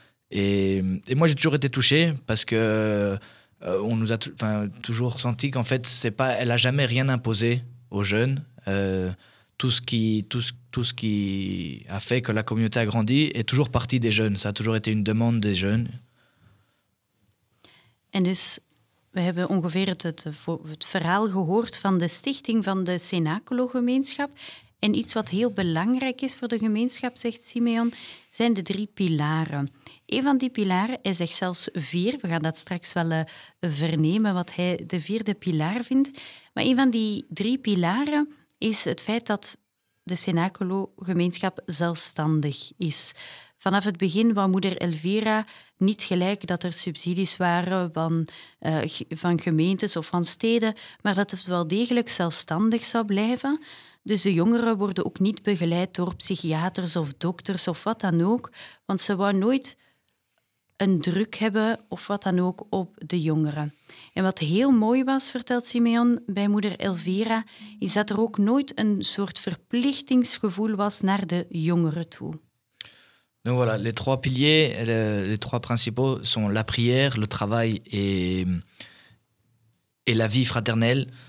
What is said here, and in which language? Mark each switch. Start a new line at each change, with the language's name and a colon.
French: Et moi, j'ai toujours été touché parce que on nous a toujours senti qu'en fait, c'est pas, elle a jamais rien imposé aux jeunes. Tout ce qui a fait que la communauté a grandi est toujours parti des jeunes. Ça a toujours été une demande des jeunes.
Dutch: En dus We hebben ongeveer het verhaal gehoord van de stichting van de Cenacolo-gemeenschap. En iets wat heel belangrijk is voor de gemeenschap, zegt Simeon, zijn de drie pilaren. Een van die pilaren, hij zegt zelfs vier, we gaan dat straks wel vernemen wat hij de vierde pilaar vindt. Maar een van die drie pilaren is het feit dat de Cenacolo-gemeenschap zelfstandig is. Vanaf het begin wou moeder Elvira niet gelijk dat er subsidies waren van gemeentes of van steden, maar dat het wel degelijk zelfstandig zou blijven. Dus de jongeren worden ook niet begeleid door psychiaters of dokters of wat dan ook, want ze wou nooit een druk hebben of wat dan ook op de jongeren. En wat heel mooi was, vertelt Simeon bij moeder Elvira, is dat er ook nooit een soort verplichtingsgevoel was naar de jongeren toe.
French: Donc voilà, les trois piliers, les trois principaux sont la prière, le travail et la vie fraternelle.